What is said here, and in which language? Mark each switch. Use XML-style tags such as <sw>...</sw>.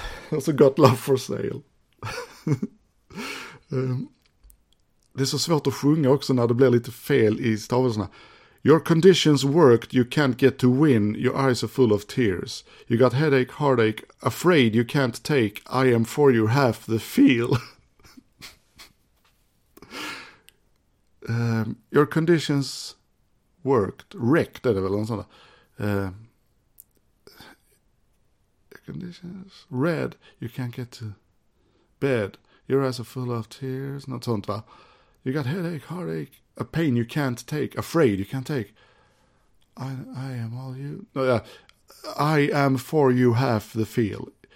<en>Alltså got love for sale.</en> <sv>det är så svårt att sjunga också när det blir lite fel i stavelserna.</sv> <en>Your conditions worked, you can't get to win, your eyes are full of tears. You got headache, heartache, afraid you can't take, I am for you half the feel. your conditions worked, wrecked,</en> <sv>är det väl någon sån där.</sv> <en>Conditions, red, you can't get to bed, your eyes are full of tears,</en> <sv>något sånt va.</sv> <en>You got headache, heartache, a pain you can't take, afraid you can't take. I am all you, no, yeah. I am for you half the feel.</en>